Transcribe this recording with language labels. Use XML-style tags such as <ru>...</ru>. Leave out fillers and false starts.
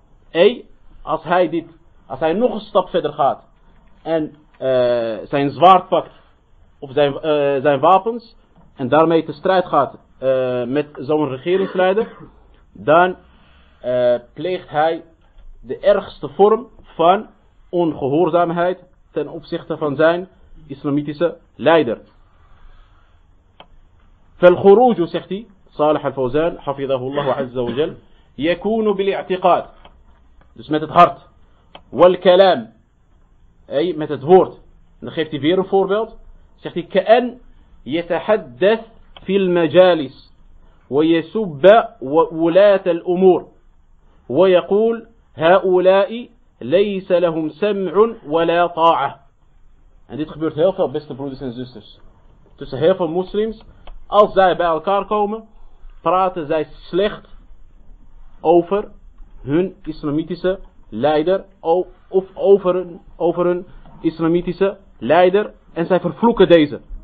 <nl>Ey, als hij nog een stap verder gaat, en zijn zwaard pakt, of zijn wapens, en daarmee te strijd gaat, met zo'n regeringsleider, dan pleegt hij de ergste vorm van ongehoorzaamheid ten opzichte van zijn islamitische leider.</nl> <ar>فالخروج,</ar> <nl>zegt hij,</nl> <ar>صالح الفوزان حفظه الله عز وجل, يكون بالاعتقاد,</ar> <nl>dus met het hart,</nl> <ar>والكلام,</ar> <nl>met het woord. Dan geeft hij weer een voorbeeld, zegt hij,</nl> <ar>كأن يتحدث في المجالس ويسب ولاة الأمور ويقول هؤلاء ليس لهم سمع ولا طاعة.</ar> <nl>En dit gebeurt heel veel, beste broeders en zusters, tussen heel veel moslims. Als zij bij elkaar komen, praten zij slecht over hun islamitische leider, of over hun islamitische leider, en zij vervloeken deze.</nl>